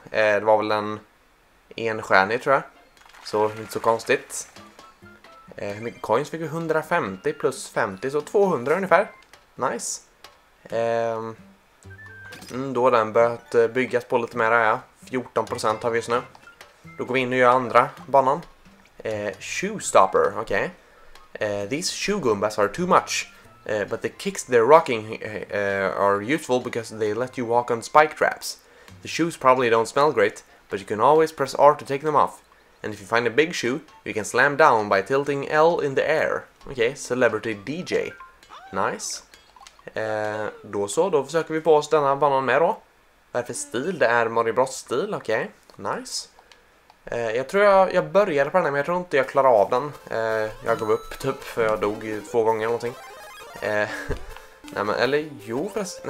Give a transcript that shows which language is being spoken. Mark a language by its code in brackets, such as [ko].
[sv] Det var väl en enstjärnig tror jag. Så inte så konstigt. Hur mycket coins fick vi? 150 plus 50. Så 200 ungefär. Nice. Då har den börjat byggas på lite mer. Ja. 14% har vi just nu. Då går vi in och gör andra banan. Shoe stopper, okej. [en] These shoe goombas are too much. But the kicks they're rocking are useful because they let you walk on spike traps. The shoes probably don't smell great, but you can always press R to take them off. And if you find a big shoe, you can slam down by tilting L in the air. [sv] Okej, okay, celebrity DJ. Nice. Då så, då försöker vi på oss denna banan med då. Vad är för stil? Det är Mario Bros stil, okej. Okay. Nice. Jag tror jag började på den här, men jag tror inte jag klarade av den. Jag gav upp typ för jag dog två gånger eller någonting. Nej men eller jo förresten.